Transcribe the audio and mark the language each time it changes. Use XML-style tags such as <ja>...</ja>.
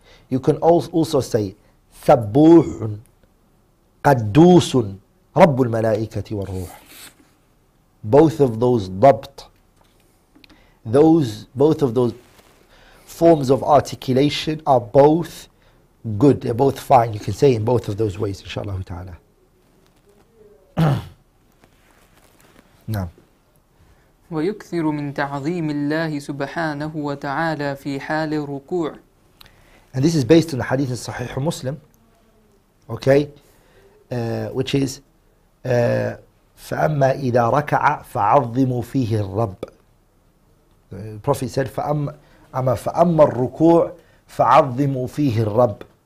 <en>You can also say</en> <ar>سبوح قدوس رب الملائكة والروح.</ar> <en>Both of those ضبط, both of those forms of articulation are both good. They're both fine. You can say in both of those ways, inshallah ta'ala.</en> <ar>نعم. ويكثر من تعظيم الله سبحانه وتعالى في حال الركوع.</ar> <en>And this is based on the hadith of Sahih Muslim. Okay, which is</en> <ar>فَأَمَّا إِذَا رَكَعَ فَعَظِّمُ فِيهِ الرَّبِّ.</ar> <en>The Prophet said</en> <ar>فَأَمَّا الرُّكُوعُ فَعَظِّمُ فِيهِ الرَّبِّ.</ar>